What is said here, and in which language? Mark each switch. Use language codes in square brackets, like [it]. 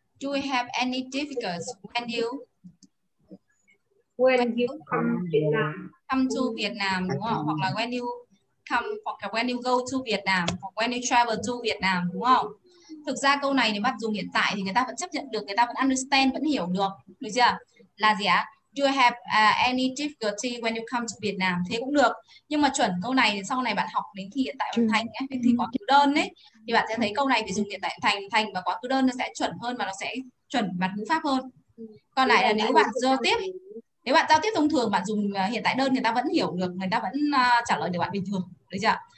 [en] Do you have any difficulties when you come to Vietnam, [vi] đúng không? Hoặc là [en] when you travel to Vietnam, [vi] đúng không? Thực ra câu này nếu bắt dùng hiện tại thì người ta vẫn chấp nhận được, người ta vẫn understand, vẫn hiểu được. Được chưa? Là gì ạ? [en] Do you have any difficulty when you come to Vietnam? [vi] Thế cũng được. Nhưng mà chuẩn câu này thì sau này bạn học đến khi hiện tại thành ấy, thì quá khứ đơn ấy, thì bạn sẽ thấy câu này phải dùng hiện tại thành và quá khứ đơn, nó sẽ chuẩn hơn và nó sẽ chuẩn mặt ngữ pháp hơn. Còn lại là nếu bạn giao tiếp thông thường, bạn dùng hiện tại đơn người ta vẫn hiểu được, người ta vẫn trả lời được bạn bình thường. Được chưa?